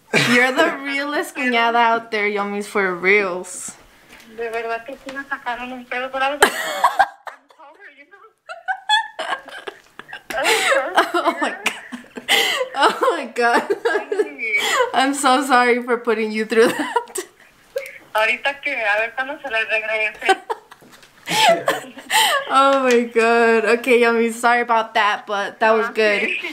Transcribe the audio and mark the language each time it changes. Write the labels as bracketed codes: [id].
[en] You're the realest cuñada out there, Yomis, for reals. Oh my god. Oh my god. I'm so sorry for putting you through that. [es] Ahorita que, a ver cuando se le regrese. [en] Oh my god. Okay, Yami, sorry about that, but that was good.